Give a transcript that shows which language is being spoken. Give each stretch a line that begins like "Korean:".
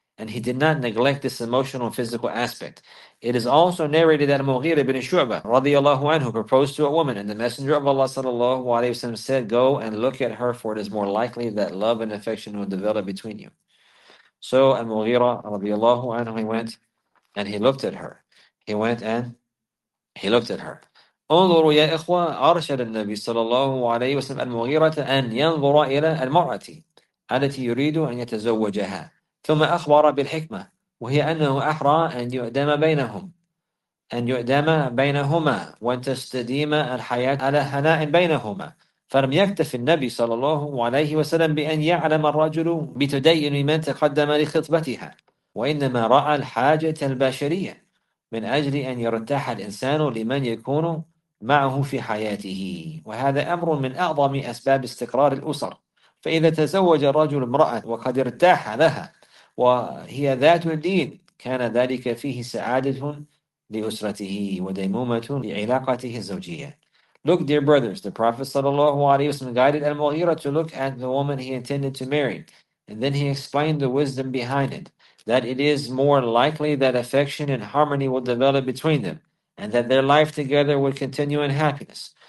English: And he did not neglect this emotional and physical aspect. It is also narrated that Mughir ibn Shu'bah radiallahu anhu proposed to a woman, and the Messenger of Allah sallallahu alayhi wa sallam said, go and look at her, for it is more likely that love and affection will develop between you. So Al-Mughira radiallahu anhu, he went and he looked at her. He went and he looked at her.
Arabic: انظروا يا إخوة أرشد النبي صلى الله عليه وسلم المغيرة أن ينظر إلى المرأة التي يريد أن يتزوجها ثم أخبر بالحكمة وهي أنه أحرى أن يؤدم بينهم أن يؤدم بينهما وأن تستديم الحياة على هناء بينهما. فلم يكتف النبي صلى الله عليه وسلم بأن يعلم الرجل بتدين من تقدم لخطبتها، وإنما رأى الحاجة البشرية من أجل أن يرتاح الإنسان لمن يكون معه في حياته، وهذا أمر من أعظم أسباب استقرار الأسر. فإذا تزوج الرجل امرأة وقد ارتاح لها وهي ذات الدين، كان ذلك فيه سعادة لأسرته وديمومة لعلاقته الزوجية.
English: Look, dear brothers, the Prophet sallallahu alaihi wasallam guided Al-Mughira to look at the woman he intended to marry, and then he explained the wisdom behind it, that it is more likely that affection and harmony will develop between them, and that their life together will continue in happiness.